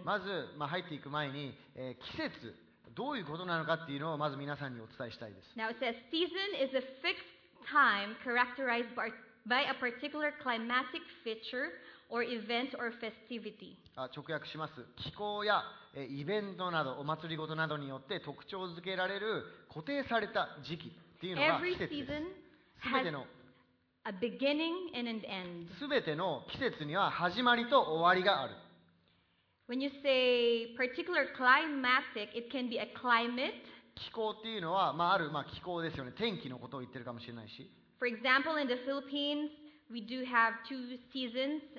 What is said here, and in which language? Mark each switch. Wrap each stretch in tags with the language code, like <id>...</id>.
<ja>まず、まあ、入っていく前に、季節、どういうことなのかっていうのをまず皆さんにお伝えしたいです。</ja> <en>Now it says, season is a fixed time characterized by a particular climatic feature or event or festivity.</en> <ja>直訳します。気候やイベントなど、お祭りごとなどによって特徴づけられる固定された時期。</ja> <en>Every season has a beginning and an end.</en> <ja>全ての季節には始まりと終わりがある。</ja> <en>When you say particular climatic, it can be a climate.</en> <ja>気候っていうのは、まあ、ある、まあ、気候ですよね。天気のことを言ってるかもしれないし。</ja> <en>For example, in the Philippines, we do have two seasons.</en>